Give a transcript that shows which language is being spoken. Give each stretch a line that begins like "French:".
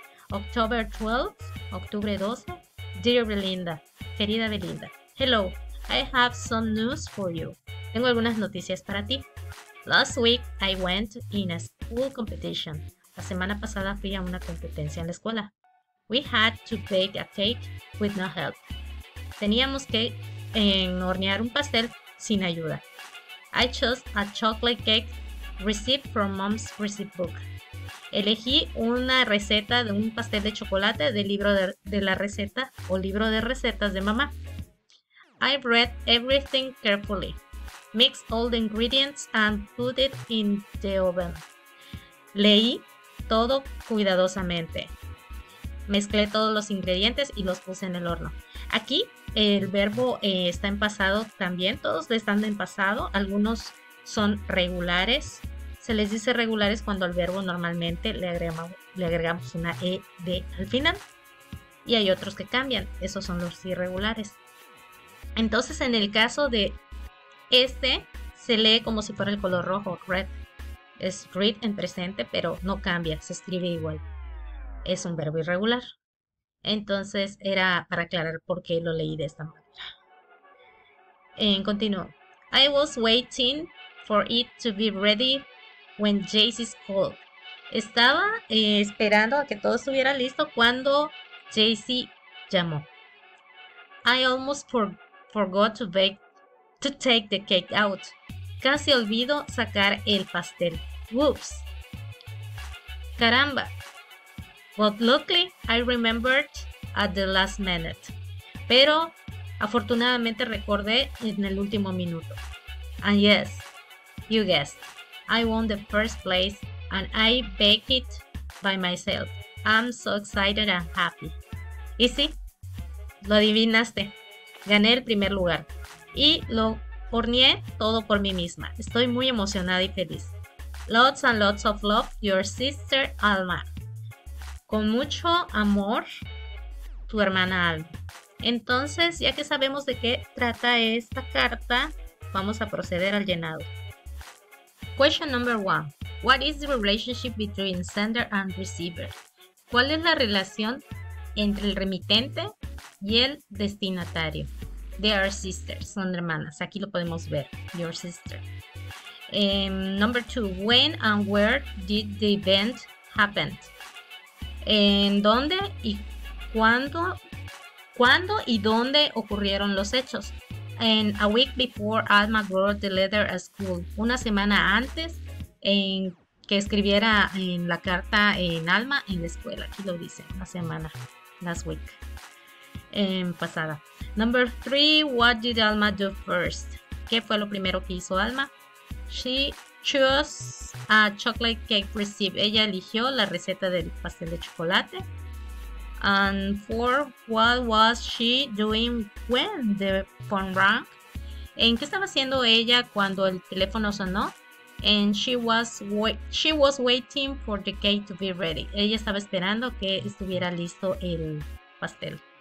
English: October 12,
Spanish: octubre 12.
English: Dear Belinda,
Spanish: querida Belinda.
English: Hello, I have some news for you.
Spanish: Tengo algunas noticias para ti.
English: Last week I went in a school competition.
Spanish: La semana pasada fui a una competencia en la escuela.
English: We had to bake a cake with no help.
Spanish: Teníamos que hornear un pastel sin ayuda.
English: I chose a chocolate cake recipe from mom's recipe book.
Spanish: Elegí una receta de un pastel de chocolate del libro de la receta o libro de recetas de mamá.
English: I read everything carefully. Mix all the ingredients and put it in the oven.
Spanish: Leí todo cuidadosamente. Mezclé todos los ingredientes y los puse en el horno. Aquí el verbo está en pasado también. Todos están en pasado. Algunos son regulares. Se les dice regulares cuando al verbo normalmente le agregamos una ed al final. Y hay otros que cambian. Esos son los irregulares. Entonces en el caso de este se lee como si fuera el color rojo. Red. Es read en presente, pero no cambia. Se escribe igual. Es un verbo irregular. Entonces era para aclarar por qué lo leí de esta manera. Continúo.
English: I was waiting for it to be ready when Jaycee's called.
Spanish: Estaba esperando a que todo estuviera listo cuando Jaycee llamó.
English: I almost forgot to take the cake out.
Spanish: Casi olvido sacar el pastel. Whoops. Caramba.
English: But luckily, I remembered at the last minute.
Spanish: Pero afortunadamente recordé en el último minuto.
English: And yes, you guessed. I won the first place and I baked it by myself. I'm so excited and happy.
Spanish: Y sí, lo adivinaste. Gané el primer lugar. Y lo horneé todo por mí misma. Estoy muy emocionada y feliz.
English: Lots and lots of love, your sister Alma.
Spanish: Con mucho amor, tu hermana Alma. Entonces, ya que sabemos de qué trata esta carta, vamos a proceder al llenado.
English: Question number one. What is the relationship between sender and receiver?
Spanish: ¿Cuál es la relación entre el remitente y el destinatario?
English: They are sisters,
Spanish: son hermanas. Aquí lo podemos ver,
English: your sister. Number two. When and where did the event happen?
Spanish: ¿En dónde y cuándo y dónde ocurrieron los hechos?
English: En a week before Alma wrote the letter at school.
Spanish: Una semana antes en que escribiera en la carta en Alma en la escuela. Aquí lo dice, una semana,
English: last week,
Spanish: en pasada.
English: Number three, what did Alma do first?
Spanish: ¿Qué fue lo primero que hizo Alma?
English: She chose a chocolate cake recipe.
Spanish: Ella eligió la receta del pastel de chocolate.
English: And four, what was she doing when the phone rang?
Spanish: ¿En qué estaba haciendo ella cuando el teléfono sonó?
English: And she was waiting for the cake to be ready.
Spanish: Ella estaba esperando que estuviera listo el pastel.